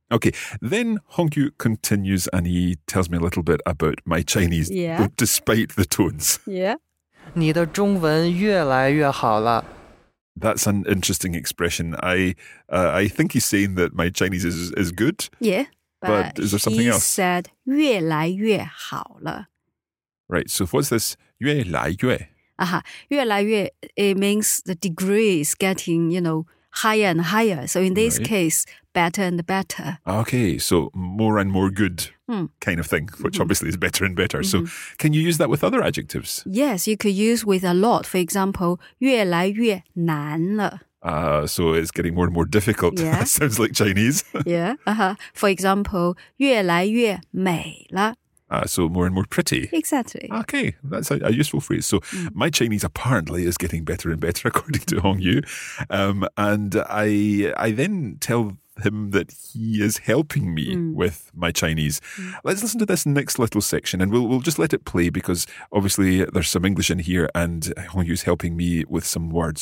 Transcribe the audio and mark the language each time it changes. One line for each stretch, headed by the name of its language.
English: Okay, then Hong Yu continues and he tells me a little bit about my Chinese, despite the tones. Yeah.
Chinese: 你的中文越来越好了。
English: That's an interesting expression. I think he's saying that my Chinese is good. Yeah, but is there something else? He said
Chinese: 越来越好了。
English: Right, so what's this 越来越？越来越 it means the degree is getting, you know, higher and higher. So in this case, better and better. Okay, so more and more good kind of thing, which obviously is better and better. So can you use that with other adjectives? Yes, you could use with a lot. For example,
Chinese: 越来越难了。
English: So it's getting more and more difficult. Yeah. That sounds like Chinese. Yeah. For example,
Chinese: 越来越美了。
English: So more and more pretty. Exactly. Okay, that's a useful phrase. So my Chinese apparently is getting better and better, according to Hong Yu. And I then tell him that he is helping me with my Chinese. Let's listen to this next little section, and we'll just let it play, because obviously there's some English in here, and Hong Yu is helping me with some words.